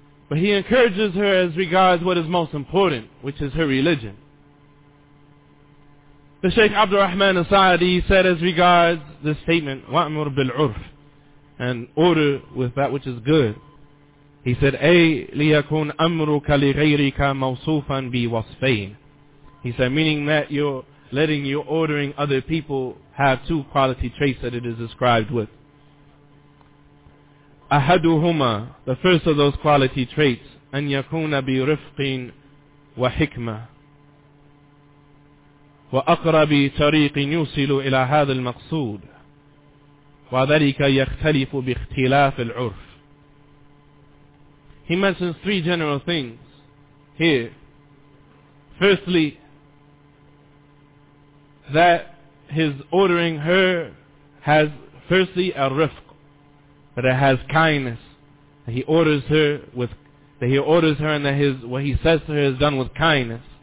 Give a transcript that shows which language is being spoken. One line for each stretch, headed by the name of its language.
English: But he encourages her as regards what is most important, which is her religion. The Shaykh Abdul Rahman Asadi said as regards this statement,
Arabic: وَأْمُرْ بِالْعُرْفِ,
English: and order with that which is good. He said,
Arabic: أَيْ لِيَكُنْ أَمْرُكَ لِغَيْرِكَ مَوْصُوفًا بِوَصْفَيْنِ.
English: He said, meaning that you're letting your ordering other people have two quality traits that it is described with.
Arabic: أَحَدُهُمَا,
English: the first of those quality traits,
Arabic: أَنْ يَكُونَ بِرِفْقٍ وَحِكْمَةٍ وَأَقْرَبِ طَرِيقٍ يُوصِلُ إِلَى هَذَا الْمَقْصُودِ وَذَلِكَ يَخْتَلِفُ بِاخْتِلَافِ الْعُرْفِ.
English: He mentions three general things here. Firstly, that his ordering her has firstly a rifq, that it has kindness. That he orders her with, that he orders her, and that his, what he says to her is done with kindness.